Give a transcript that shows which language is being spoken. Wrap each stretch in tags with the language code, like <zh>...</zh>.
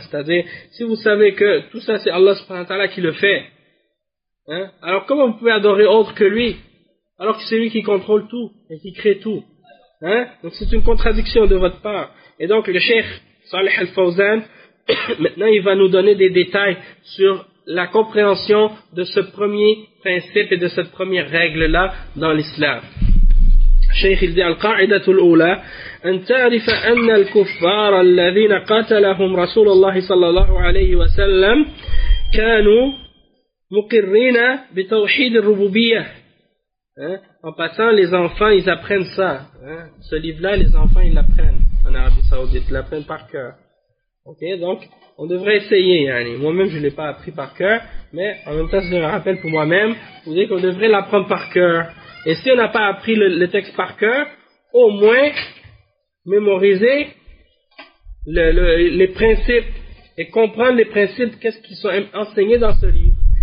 <fr>C'est-à-dire, si vous savez que tout ça c'est Allah subhanahu wa ta'ala qui le fait, hein, alors comment vous pouvez adorer autre que lui, alors que c'est lui qui contrôle tout et qui crée tout, Hein? Donc c'est une contradiction de votre part. Et donc le cheikh Saleh Al-Fawzan, maintenant il va nous donner des détails sur la compréhension de ce premier principe et de cette première règle-là dans l'islam.</fr> <ar>الشيخ يدي القاعدة الأولى أن تعرف أن الكفار الذين قاتلهم رسول الله صلى الله عليه وسلم كانوا مقرين بتوحيد الربوبية.</ar> <fr>En passant, les enfants ils apprennent ça. Ce livre-là, les enfants ils l'apprennent en Arabie Saoudite, ils l'apprennent par cœur. Ok, donc on devrait essayer. Yani. Moi-même, je ne l'ai pas appris par cœur, mais en même temps, c'est un rappel pour moi-même. Vous dites qu'on devrait l'apprendre par cœur. Et si on n'a pas appris le texte par cœur, au moins mémoriser les principes et comprendre les principes, qu'est-ce qui sont enseignés dans ce livre.</fr>